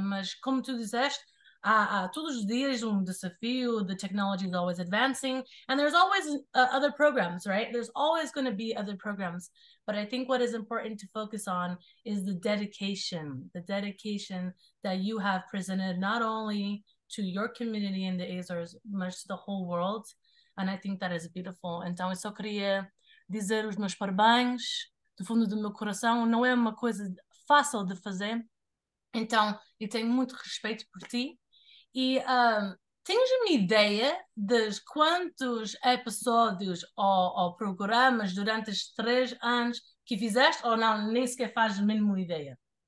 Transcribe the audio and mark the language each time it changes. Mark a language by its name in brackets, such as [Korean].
[Portuguese] Mas como tu disseste, há todos os dias um desafio. [English] The technology is always advancing, and there's always other programs, right? There's always going to be other programs. But I think what is important to focus on is the dedication that you have presented not only to your community in the Azores, [Portuguese] mas [English] to the whole world. And I think that is beautiful. [Portuguese] Então, eu só queria dizer os meus parabéns do fundo do meu coração. Não é uma coisa fácil de fazer. Então, eu tenho muito respeito por ti. E tens uma ideia de quantos episódios ou programas durante os 3 anos que fizeste, ou não, nem sequer fazes a mínima ideia?